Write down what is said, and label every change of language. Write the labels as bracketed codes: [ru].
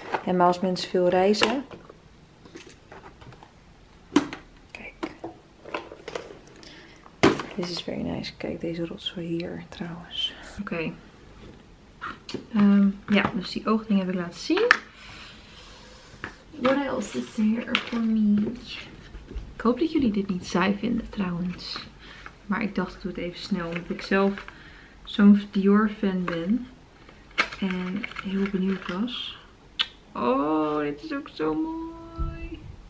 [nl] En maar als mensen veel reizen... Dit is [en] very nice. [nl] Kijk, deze rotzooi hier trouwens. Oké. Okay. Ja, dus die oogding heb ik laten zien. [en] What else is there for me? [nl] Ik hoop dat jullie dit niet saai vinden trouwens. Maar ik dacht, ik doe het even snel. Omdat ik zelf zo'n Dior fan ben. En heel benieuwd was. Oh, dit is ook zo mooi.